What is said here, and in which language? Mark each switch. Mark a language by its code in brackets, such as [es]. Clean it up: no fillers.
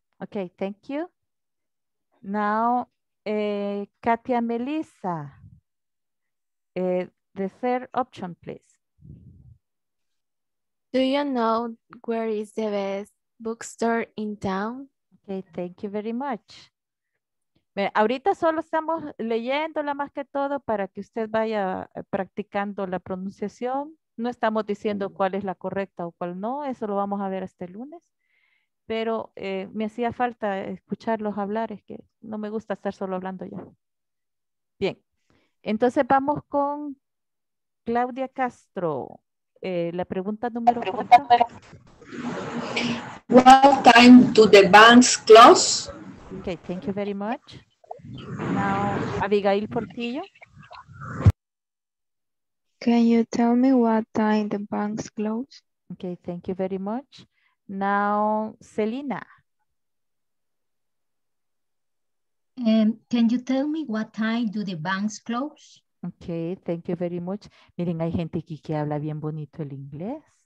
[en] Okay, thank you. Now, Katia Melissa, the third option, please. Do you know where is the best bookstore in town? Okay, thank you very much. [es] Bien, ahorita solo estamos leyéndola más que todo para que usted vaya practicando la pronunciación. No estamos diciendo cuál es la correcta o cuál no, eso lo vamos a ver hasta el lunes. Pero me hacía falta escucharlos hablar, es que no me gusta estar solo hablando ya. Bien, entonces vamos con Claudia Castro. La pregunta número 4. [en] What time do the banks close? Okay, thank you very much. Now, Abigail Portillo. Can you tell me what time the banks close? Okay, thank you very much. Now, Selena. Can you tell me what time do the banks close? Okay, thank you very much. [es] Miren, hay gente aquí que habla bien bonito el inglés.